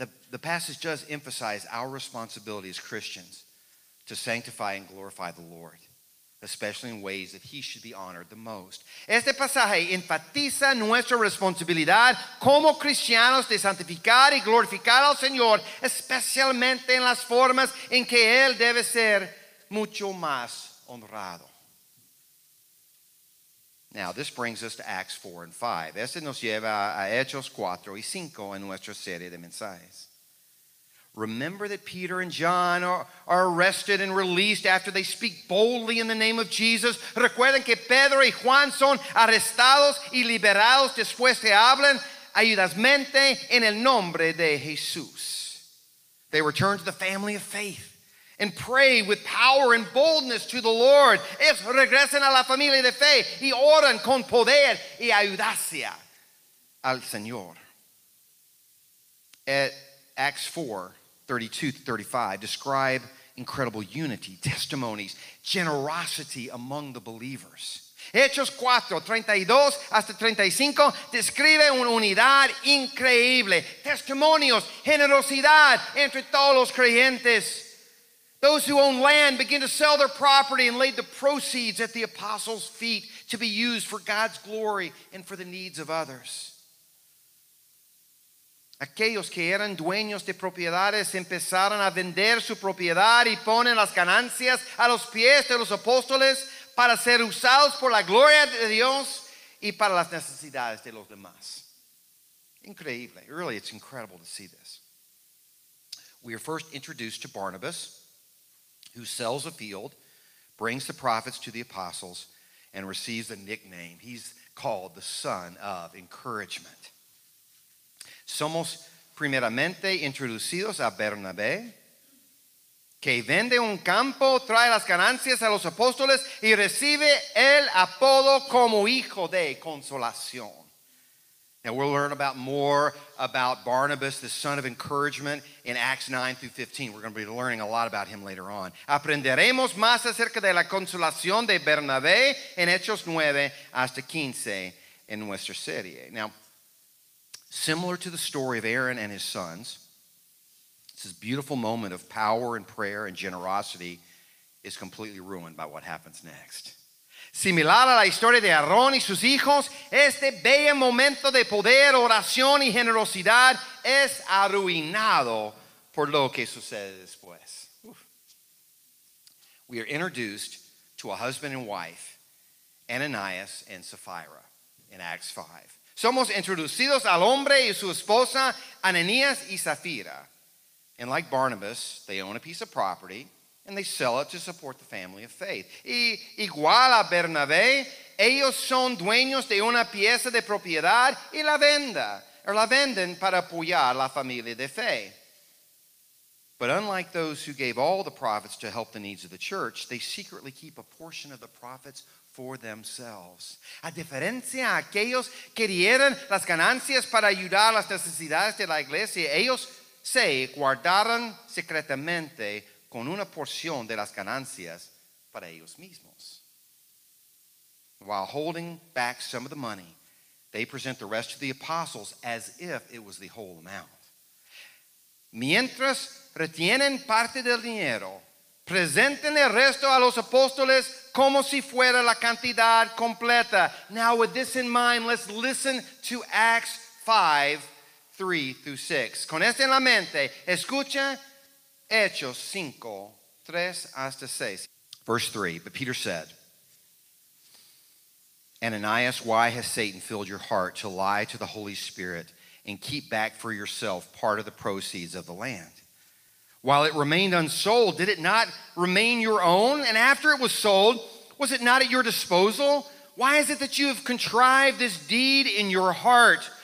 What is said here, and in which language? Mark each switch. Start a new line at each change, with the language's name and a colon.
English: The passage does emphasize our responsibility as Christians to sanctify and glorify the Lord, especially in ways that he should be honored the most.
Spanish: Este pasaje enfatiza nuestra responsabilidad como cristianos de santificar y glorificar al Señor, especialmente en las formas en que él debe ser mucho más honrado.
English: Now, this brings us to Acts 4 and 5.
Spanish: Este nos lleva a Hechos 4 y 5 en nuestra serie de mensajes.
English: Remember that Peter and John are arrested and released after they speak boldly in the name of Jesus.
Spanish: Recuerden que Pedro y Juan son arrestados y liberados después de hablar audazmente en el nombre de Jesús.
English: They return to the family of faith and pray with power and boldness to the Lord.
Spanish: Es regresan a la familia de fe y oran con poder y audacia al Señor.
English: At Acts 4, 32-35, describe incredible unity, testimonies, generosity among the believers.
Spanish: Hechos 4, 32 hasta 35, describe una unidad increíble, testimonios, generosidad entre todos los creyentes.
English: Those who own land begin to sell their property and lay the proceeds at the apostles' feet to be used for God's glory and for the needs of others.
Spanish: Aquellos que eran dueños de propiedades empezaron a vender su propiedad y ponen las ganancias a los pies de los apóstoles para ser usados por la gloria de Dios y para las necesidades de los demás.
English: Increíble. Really, it's incredible to see this. We are first introduced to Barnabas, who sells a field, brings the prophets to the apostles, and receives a nickname. He's called the son of encouragement.
Spanish: Somos primeramente introducidos a Bernabé, que vende un campo, trae las ganancias a los apóstoles, y recibe el apodo como hijo de consolación.
English: Now we'll learn about more about Barnabas, the son of encouragement, in Acts 9 through 15. We're going to be learning a lot about him later on.
Spanish: Aprenderemos más acerca de la consolación de Bernabé en Hechos 9 hasta 15 en nuestra serie.
English: Now, similar to the story of Aaron and his sons, this beautiful moment of power and prayer and generosity is completely ruined by what happens next.
Spanish: Similar a la historia de Aarón y sus hijos, este bello momento de poder, oración y generosidad es arruinado por lo que sucede después.
English: We are introduced to a husband and wife, Ananias and Sapphira, in Acts 5.
Spanish: Somos introducidos al hombre y su esposa, Ananias y Sapphira.
English: And like Barnabas, they own a piece of property, and they sell it to support the family of faith.
Spanish: Y igual a Bernabé, ellos son dueños de una pieza de propiedad y la venden para apoyar la familia de fe.
English: But unlike those who gave all the profits to help the needs of the church, they secretly keep a portion of the profits for themselves.
Spanish: A diferencia de aquellos que dieron las ganancias para ayudar las necesidades de la iglesia, ellos se guardaron secretamente con una porción de las ganancias para ellos mismos.
English: While holding back some of the money, they present the rest to the apostles as if it was the whole amount.
Spanish: Mientras retienen parte del dinero, presenten el resto a los apóstoles como si fuera la cantidad completa.
English: Now with this in mind, let's listen to Acts 5, 3 through 6.
Spanish: Con esto en la mente, escucha Hechos 5, 3 hasta 6.
English: Verse 3, but Peter said, Ananias, why has Satan filled your heart to lie to the Holy Spirit and keep back for yourself part of the proceeds of the land? While it remained unsold, did it not remain your own? And after it was sold, was it not at your disposal? Why is it that you have contrived this deed in your heart?